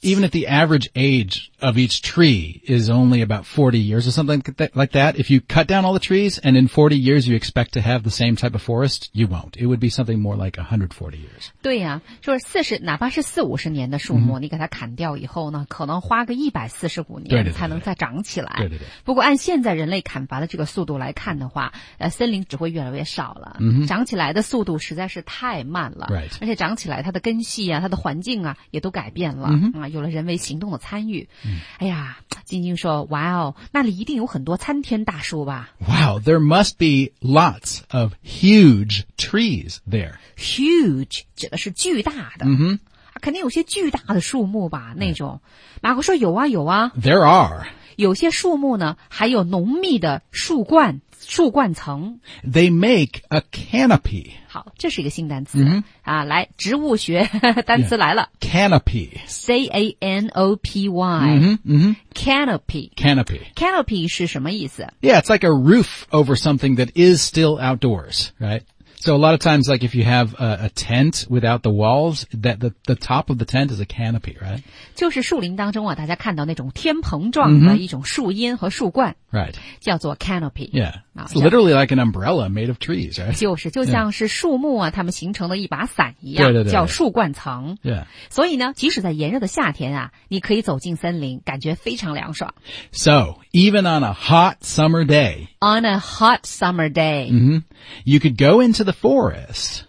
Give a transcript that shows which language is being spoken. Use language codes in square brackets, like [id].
[en] Even if the average age of each tree is only about 40 years or something like that, if you cut down all the trees and in 40 years you expect to have the same type of forest, you won't. It would be something more like 140 years. [zh] 对呀、啊、就是哪怕是四五十年的树木、mm-hmm. 你给它砍掉以后呢可能花个145年才能再长起来。对对 对, 对。不过按现在人类砍伐的这个速度来看的话森林只会越来越少了。 Mm-hmm. 长起来来的速度实在是太慢了。 [en] Right. [zh] 而且长起来它的根系啊，它的环境啊也都改变了、 mm-hmm. 啊，有了人为行动的参与。 Mm-hmm. 哎呀，晶晶说，哇哦，那里一定有很多参天大树吧。 [en] Wow, there must be lots of huge trees there. [zh] Huge, 指的是巨大的。 Mm-hmm. 肯定有些巨大的树木吧，那种。马哥说有啊有啊。 [en] There are. [zh] 有些树木呢还有浓密的树冠层。 [en] They make a canopy. [zh] 好，这是一个新单词。 Mm-hmm. 啊，来，植物学单词来了。 [en] Yeah. Canopy. C-A-N-O-P-Y. Mm-hmm, mm-hmm. Canopy. Canopy. [zh] Canopy 是什么意思？ [en] Yeah, it's like a roof over something that is still outdoors, right? So a lot of times, like if you have a tent without the walls, that the top of the tent is a canopy, right? [zh] 就是树林当中啊，大家看到那种天棚状的一种树荫和树冠。 [en] Mm-hmm. Right. [zh] 叫做 canopy. [en] Yeah. It's literally like an umbrella made of trees, right? [zh] 就是，就像是树木啊，它们形成了一把伞一样，对对对，叫树冠层。 [en] Yeah. [zh] 所以呢，即使在炎热的夏天啊，你可以走进森林，感觉非常凉爽。 [en] So, even on a hot summer day, on a hot summer day, mm-hmm, you could go into the forest.